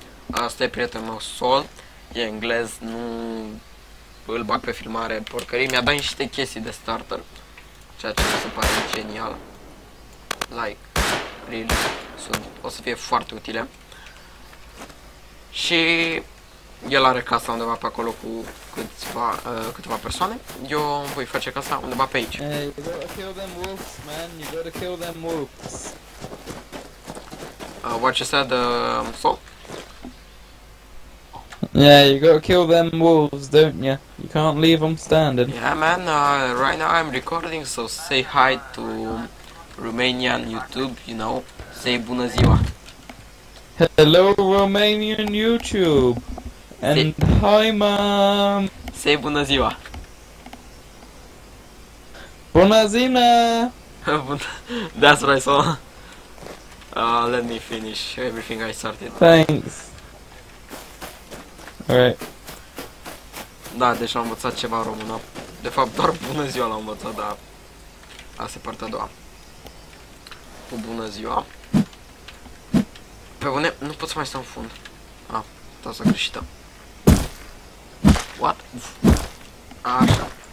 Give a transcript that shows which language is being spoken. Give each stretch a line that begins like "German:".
Romanian: Asta e prietenul meu, Sol, e englez, nu îl bag pe filmare, porcării, mi-a dat niște chestii de starter, ceea ce mi se pare genial.
English: Like, really,
Romanian: sunt, o să fie foarte utile. Și el are casa undeva pe acolo cu câteva persoane. Eu voi face casa undeva pe aici.
English: Hey, you gotta kill them wolves, man. You gotta kill them wolves. What you said, Sol? Yeah, you gotta kill them wolves, don't you? You can't leave them standing. Yeah, man. Right now I'm recording, so say hi to Romanian YouTube, you know. Say
Romanian: bună ziua.
English: Hello, Romanian YouTube. And hi, mom! Say
Romanian: bună ziua! Bună zina!
English: That's what I saw. Let me finish everything I started. Thanks! Alright.
Romanian: Da, deci am învățat ceva română. De fapt, doar bună ziua l-am învățat, dar... Asta e partea a doua. Cu bună ziua. Pe bune, nu pot să mai stau în fund. Ah, tasa greșită.
English: What?
Romanian: Așa.